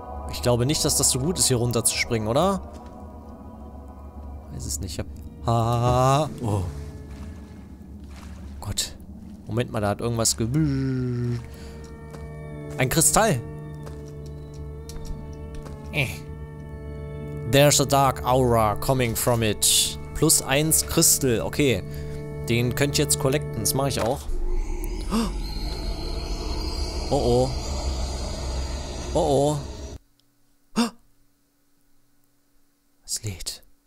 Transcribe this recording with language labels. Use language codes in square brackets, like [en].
[de] Ich glaube nicht, dass das so gut ist, hier runter zu springen, oder? Weiß es nicht. Ich hab... Ah, oh. Gott. Moment mal, da hat irgendwas ein Kristall! [en] There's a dark aura coming from it. [de] Plus 1 Kristall, okay. Den könnt ihr jetzt collecten, das mache ich auch. Oh oh. Oh oh. Es lädt.